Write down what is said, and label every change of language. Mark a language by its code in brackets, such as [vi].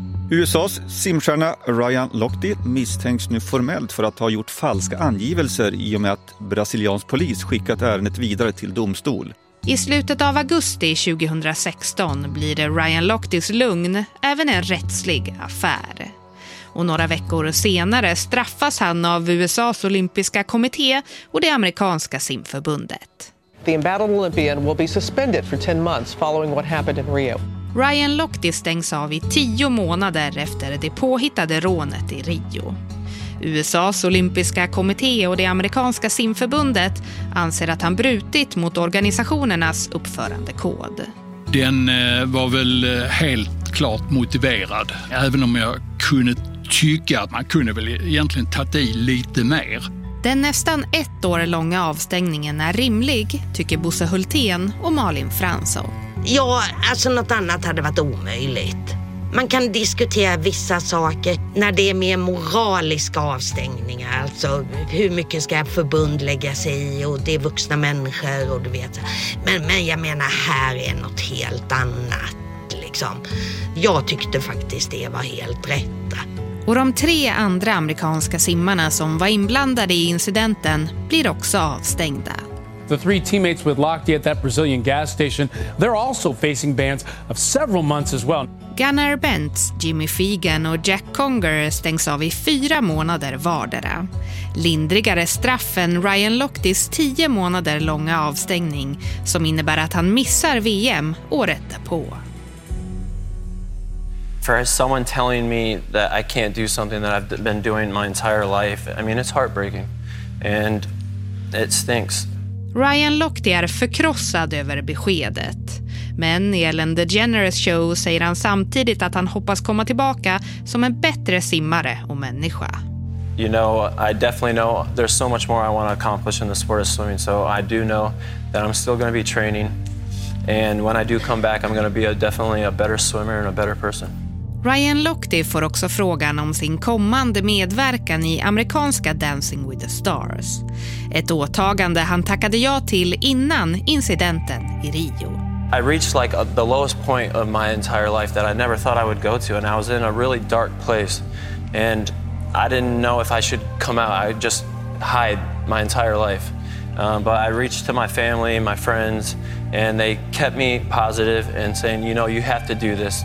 [sv] USAs simstjärna Ryan Lochte misstänks nu formellt för att ha gjort falska angivelser i och med att brasiliansk polis skickat ärendet vidare till domstol. I slutet av augusti 2016 blir det Ryan Lochtes lugn även en rättslig affär. Och några veckor senare straffas han av USAs olympiska kommitté och det amerikanska simförbundet. [en] The embattled Olympian will be suspended for 10 months following what happened in Rio. [sv] Ryan Lochte stängs av i 10 månader efter det påhittade rånet i Rio. USAs olympiska kommitté och det amerikanska simförbundet anser att han brutit mot organisationernas uppförandekod. Den var väl helt klart motiverad, även om jag kunde tycka att man kunde väl egentligen ta i lite mer. Den nästan ett år långa avstängningen är rimlig, tycker Bosse Hultén och Malin Fransson. Ja, alltså något annat hade varit omöjligt. Man kan diskutera vissa saker när det är mer moraliska avstängningar. Alltså hur mycket ska förbund lägga sig i och det är vuxna människor och du vet. Men jag menar, här är något helt annat liksom. Jag tyckte faktiskt det var helt rätt. Och de tre andra amerikanska simmarna som var inblandade i incidenten blir också avstängda. [en] The three teammates with Lochte at that Brazilian gas station, they're also facing bans of several months as well. [sv] Gunnar Bentz, Jimmy Feagan och Jack Conger stängs av i 4 månader vardera. Lindrigare straffen Ryan Lochtes 10 månader långa avstängning som innebär att han missar VM året därpå. [en] For someone telling me that I can't do something that I've been doing my entire life, I mean, it's heartbreaking. And it stinks. [sv] Ryan Lochte är förkrossad över beskedet. Men i Ellen DeGeneres show säger han samtidigt att han hoppas komma tillbaka som en bättre simmare och människa. [en] You know, I definitely know there's so much more I want to accomplish in the sport of swimming. So I do know that I'm still going to be training. And when I do come back, I'm going to be definitely a better swimmer and a better person. [sv] Ryan Lochte får också frågan om sin kommande medverkan i amerikanska Dancing with the Stars. Ett åtagande han tackade ja till innan incidenten i Rio. [en] I reached like the lowest point of my entire life that I never thought I would go to, and I was in a really dark place and I didn't know if I should come out. I just hide my entire life. But I reached to my family, my friends, and they kept me positive and saying, you know, you have to do this.